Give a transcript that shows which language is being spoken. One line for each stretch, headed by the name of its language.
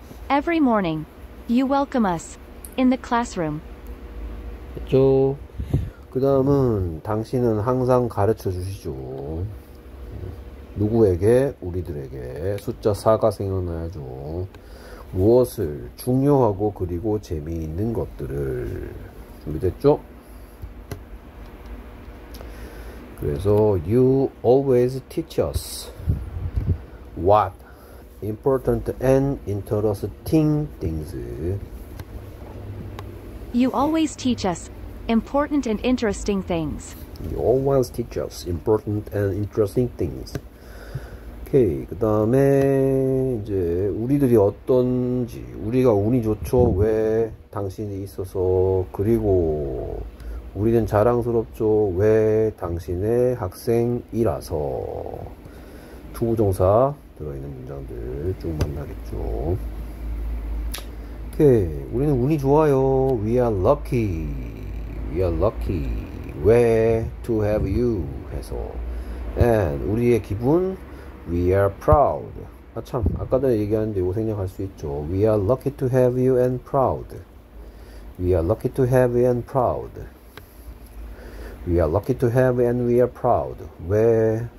English: Every morning, you welcome us in the classroom.
Korean: 그쵸? 그 다음은 당신은 항상 가르쳐 주시죠. 누구에게? 우리들에게. 숫자 4가 생각나야죠. 무엇을? 중요하고 그리고 재미있는 것들을. 준비됐죠? 그래서
English: you always teach us what important and interesting things. You always teach us important and interesting things. You always teach us important and interesting things.
Korean: 오케이. 그 다음에, 이제, 우리들이 어떤지, 우리가 운이 좋죠? 왜 당신이 있어서? 그리고, 우리는 자랑스럽죠? 왜 당신의 학생이라서? 투부정사 들어있는 문장들 쭉 만나겠죠? 오케이. 우리는 운이 좋아요.
English: We are lucky. We are lucky. Where to have you?
Korean: 해서.
English: And
Korean: 우리의 기분?
English: We are proud.
Korean: 아, 참. 아까 전에 얘기하는데 이거 생략할 수 있죠.
English: We are lucky to have you and proud. We are lucky to have you and proud. We are lucky to have and we are proud.
Korean: 왜?